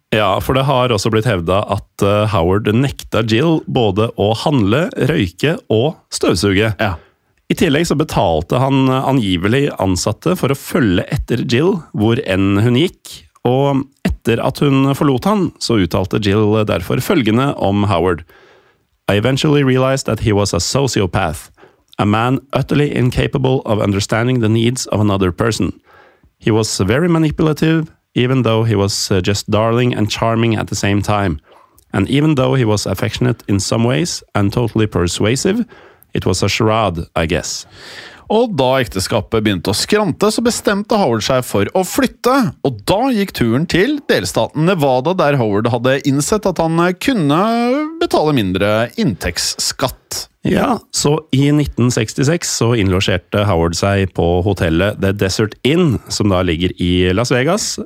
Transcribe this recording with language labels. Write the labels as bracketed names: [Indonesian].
[Norwegian] Ja, for det har også blitt hevdet at Howard nekta Jill både å handle, røyke og støvsuge. Ja. I tillegg så betalte han angivelig ansatte for å følge etter Jill hvor enn hun gikk. Og etter at hun forlot han, så uttalte Jill derfor følgende om Howard. [English] I eventually realized that he was a sociopath, a man utterly incapable of understanding the needs of another person. He was very manipulative, even though he was just darling and charming at the same time. And even though he was affectionate in some ways and totally persuasive, it was a charade, I guess. [Norwegian] Og da ekteskapet begynte å skrante, så bestemte Howard seg for å flytte, og da gikk turen til delstaten Nevada, der Howard hadde innsett at han kunne betale mindre inntektsskatt. Ja, så i 1966 så innlogerte Howard seg på hotellet The Desert Inn, som da ligger i Las Vegas.